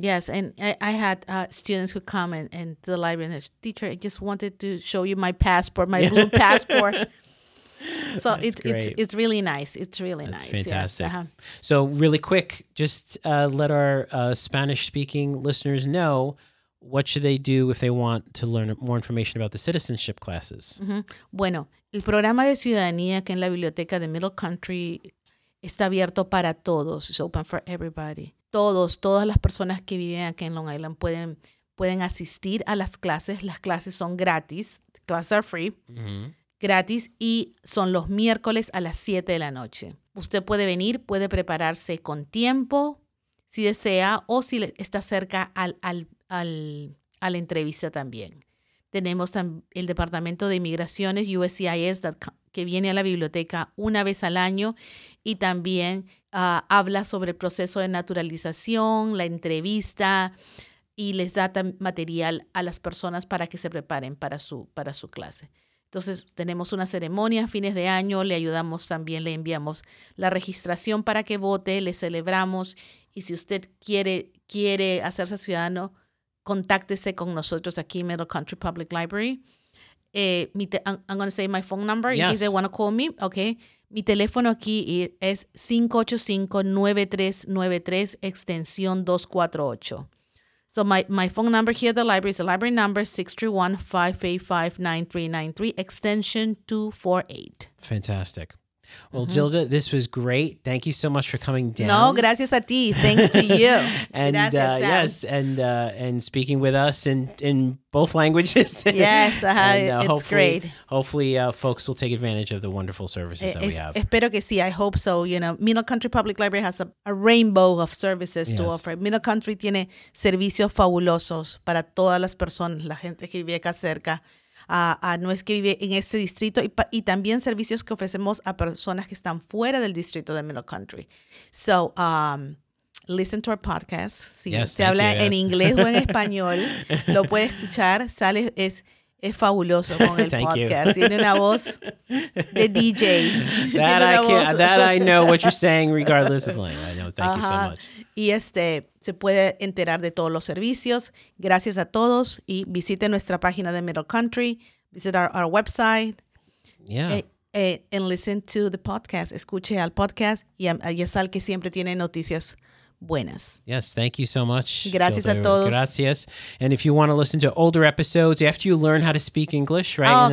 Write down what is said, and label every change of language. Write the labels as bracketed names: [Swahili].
[English] Yes, and I had students who come and to the library and they're like, teacher, I just wanted to show you my passport, my blue passport. So it's really nice. It's really That's nice. Fantastic. Yes. Uh-huh. So really quick, just let our Spanish speaking listeners know, what should they do if they want to learn more information about the citizenship classes? Mm-hmm. [Spanish] Bueno, el programa de ciudadanía que en la biblioteca de Middle Country está abierto para todos. [English] It's open for everybody. [Spanish] Todas las personas que viven aquí en Long Island pueden asistir a las clases. Las clases son gratis. [English] Classes are free. Mm-hmm. [Spanish] Gratis. Y son los miércoles a las 7 de la noche. Usted puede venir, puede prepararse con tiempo, si desea, o si está cerca a la entrevista también. Tenemos el Departamento de Inmigraciones, USCIS, que viene a la biblioteca una vez al año y también habla sobre el proceso de naturalización, la entrevista, y les da material a las personas para que se preparen para su clase. Entonces, tenemos una ceremonia a fines de año, le ayudamos también, le enviamos la registración para que vote, le celebramos, y si usted quiere hacerse ciudadano, contáctese con nosotros aquí en Middle Country Public Library [English] I'm going to say my phone number in case they want to call me. [Spanish] Okay. Mi teléfono aquí es 585-9393, extensión 248. [English] So my phone number here at the library is the library number 631-585-9393, extension 248. Fantastic. Well, Gilda, this was great. Thank you so much for coming down. [Spanish] No, gracias a ti. [English] Thanks to you. And and speaking with us in both languages. Yes, it's great. Hopefully, folks will take advantage of the wonderful services that we have. [Spanish] Espero que sí. [English] I hope so. You know, Middle Country Public Library has a rainbow of services to offer. [Spanish] Middle Country tiene servicios fabulosos para todas las personas, la gente que vive acá cerca. No es que vive en ese distrito y también servicios que ofrecemos a personas que están fuera del distrito de Middle Country. [English] So, listen to our podcast. [Spanish] Si te habla en inglés o en español, lo puedes escuchar. Es fabuloso con el podcast. Tiene una voz de DJ. [English] That I know what you're saying regardless of the language. I know. Thank you so much. [Spanish] Y se puede enterar de todos los servicios. Gracias a todos. Y visite nuestra página de Middle Country. [English] Visit our website. Yeah. And listen to the podcast. [Spanish] Escuche al podcast. Y es al que siempre tiene noticias buenas. [English] Yes, thank you so much. [Spanish] Gracias a todos. Gracias. [English] And if you want to listen to older episodes after you learn how to speak English, right?